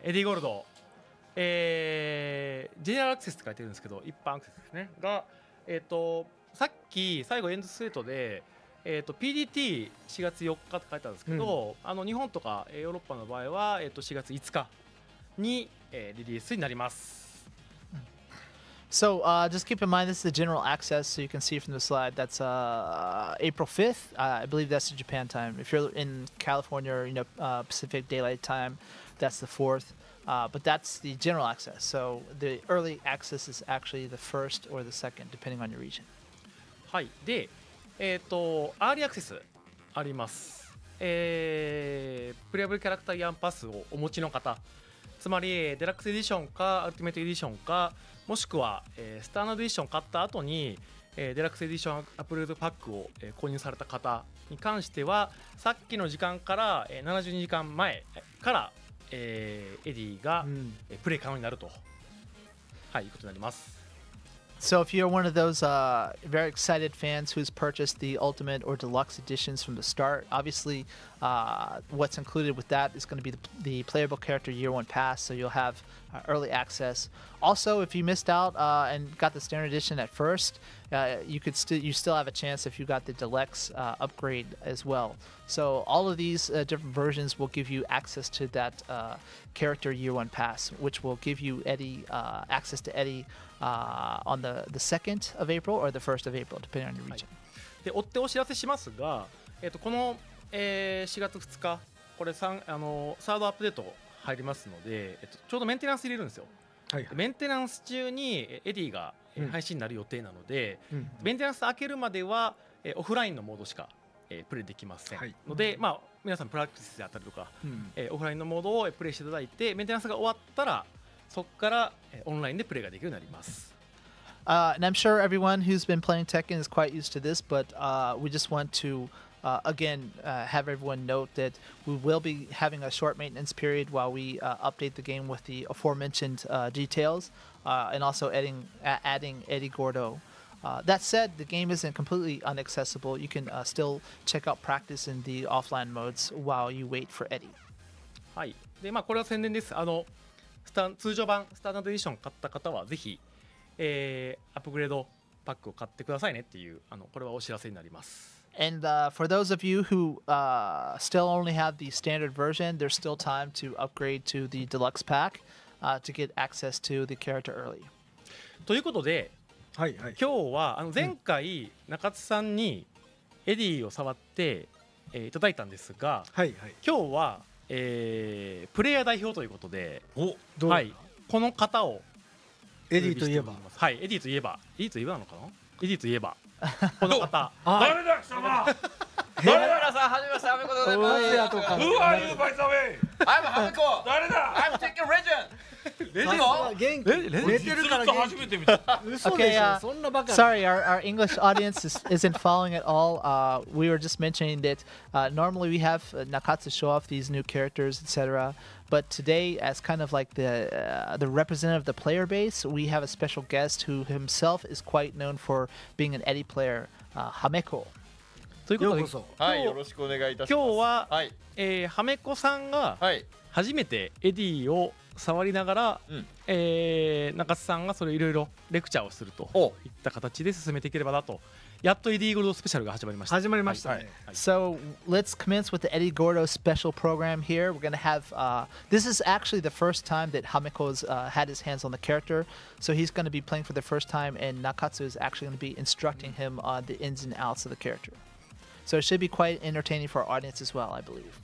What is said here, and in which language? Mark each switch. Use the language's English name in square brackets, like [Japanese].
[Japanese] エディ・ゴールド、ジェネラルアクセスって書いてるんですけど、一般アクセスですね。が、さっき最後エンドスレートで、PDT 4月4日って書いてあるんですけど、うん、あの日本とかヨーロッパの場合は、4月5日に、リリースになります。 [English] So, just keep in mind this is the general access, so you can see from the slide that's April 5th. I believe that's the Japan time. If you're in California, you know, Pacific Daylight Time, that's the 4th. But that's the general access. So the early access is actually the first or the second, depending on your region. [Japanese] はい。で、アーリーアクセスあります。プレイアブルキャラクターイアンパスをお持ちの方、つまりデラックスエディションかアルティメットエディションか、もしくは、スタンダードエディションを買った後に、デラックスエディションアップグレードパックを、購入された方に関しては、さっきの時間から、72時間前から、エディが、プレイ可能になると、はい、いうことになります。 [English] So if you're one of those very excited fans who's purchased the Ultimate or Deluxe Editions from the start, obviously what's included with that is going to be the playable character year one pass, so you'll have early access. Also, if you missed out and got the Standard Edition at first, you still have a chance if you got the Deluxe upgrade as well. So all of these different versions will give you access to that character year one pass, which will give you access to Eddie on the 2nd of April or the 1st of April, depending on your region. [Japanese] で、追ってお知らせしますが、この、4月2日、これ3、サードアップデート入りますので、ちょうどメンテナンス入れるんですよ。はいはい、メンテナンス中にエディが配信になる予定なので、うん、メンテナンス開けるまでは、オフラインのモードしか、プレイできません、はい、ので、うん、まあ、皆さんプラクティスであったりとか、うん、オフラインのモードをプレイしていただいて、メンテナンスが終わったら、そこからオンラインでプレイができるようになります。 [English] And I'm sure everyone who's been playing Tekken is quite used to this, but we just want to again have everyone note that we will be having a short maintenance period while we update the game with the aforementioned details and also adding Eddie Gordo. That said, the game isn't completely inaccessible. You can still check out practice in the offline modes while you wait for Eddie. [Japanese] はい。で、まあ、これは宣伝です。あの、通常版スタンダードエディション買った方はぜひ、アップグレードパックを買ってくださいねっていう、あの、これはお知らせになります。 [English] And for those of you who still only have the standard version, there's still time to upgrade to the deluxe pack to get access to the character early. [Japanese] ということで、はいはい、今日はあの前回、うん、中津さんにエディを触って、いただいたんですが、はいはい、今日は、プレイヤー代表ということで、お、どう、はい、この方をエディといえば、はい、エディといえば、エディといえばなのかな、エディといえばこの方、誰だ貴様、誰だ皆さん、はじめまして、アメコでございます。 [English] Who are you by the way? I'm アメコ。 [Japanese] 誰だ、 [English] I'm taking region。 Okay, sorry, our English audience isn't following at all. We were just mentioning that normally we have Nakatsu show off these new characters, etc. But today, as kind of like the representative of the player base, we have a special guest who himself is quite known for being an Eddie player, Hameko. [Japanese] ということで、はい、よろしくお願いいたします。今日は、はい、ハメコさんが初めてエディを触りながら、はい、中津さんがそれいろいろレクチャーをするといった形で進めていければなと。やっとエディゴルドスペシャルが始まりました。始まりましたね、はいは [English] い、So let's commence with the Eddie Gordo special program here. We're gonna have this is actually the first time that Hameko's had his hands on the character. So he's gonna be playing for the first time, and Nakatsu is actually gonna be instructing him on the ins and outs of the characterSo it should be quite entertaining for our audience as well, I believe.